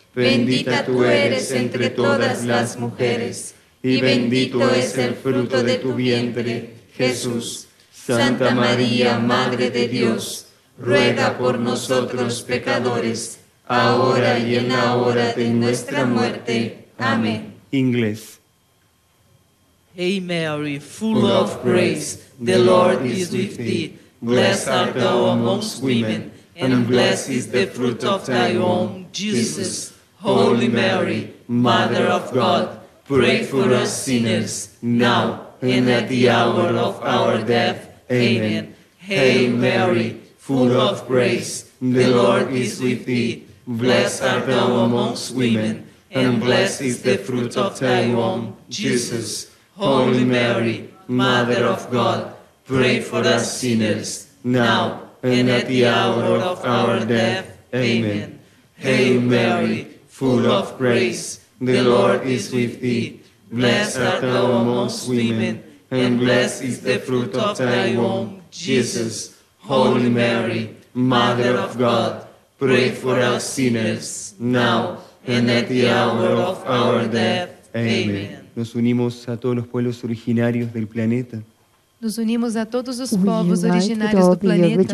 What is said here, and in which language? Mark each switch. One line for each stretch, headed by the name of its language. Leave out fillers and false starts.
Spanish: Bendita tú eres entre todas las mujeres, y bendito es el fruto de tu vientre, Jesús. Santa María, Madre de Dios, ruega por nosotros, pecadores, ahora y en la hora de nuestra muerte. Amén. Inglés.
English: Hail Mary, full of grace, the Lord is with thee. Blessed art thou amongst women, and blessed is the fruit of thy womb, Jesus. Holy Mary, Mother of God, pray for us sinners, now and at the hour of our death. Amen. Hail Mary, full of grace, the Lord is with thee. Blessed art thou amongst women, and blessed is the fruit of thy womb, Jesus. Holy Mary, Mother of God, pray for us sinners, now and at the hour of our death. Amen. Hail Mary, full of grace, the Lord is with thee. Blessed art thou amongst women, and blessed is the fruit of thy womb, Jesus. Holy Mary, Mother of God, pray for us sinners, now and at the hour of our death. Amen.
Spanish: Nos unimos a todos los pueblos originarios del planeta.
Portuguese: Nos unimos a todos os povos originários do planeta.